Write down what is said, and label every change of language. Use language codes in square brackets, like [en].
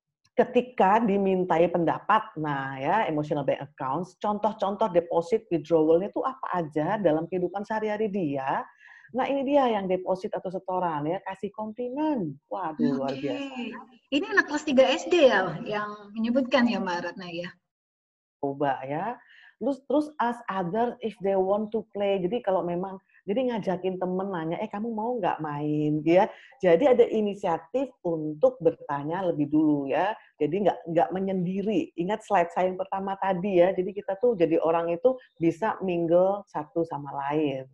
[id] Ketika dimintai pendapat, nah ya, emotional bank accounts, contoh-contoh deposit withdrawal-nya itu apa aja dalam kehidupan sehari-hari dia. Nah ini dia yang deposit atau setoran ya, kasih komplimen. Waduh, okay, luar biasa. Ini anak kelas 3 SD ya yang menyebutkan ya Mbak Ratna ya. Coba ya, terus [en] ask others if they want to play. [id] Jadi kalau memang, jadi ngajakin temen nanya, eh kamu mau nggak main? Ya, jadi ada inisiatif untuk bertanya lebih dulu ya. Jadi nggak menyendiri. Ingat slide saya yang pertama tadi ya. Jadi kita tuh jadi orang itu bisa mingle satu sama lain.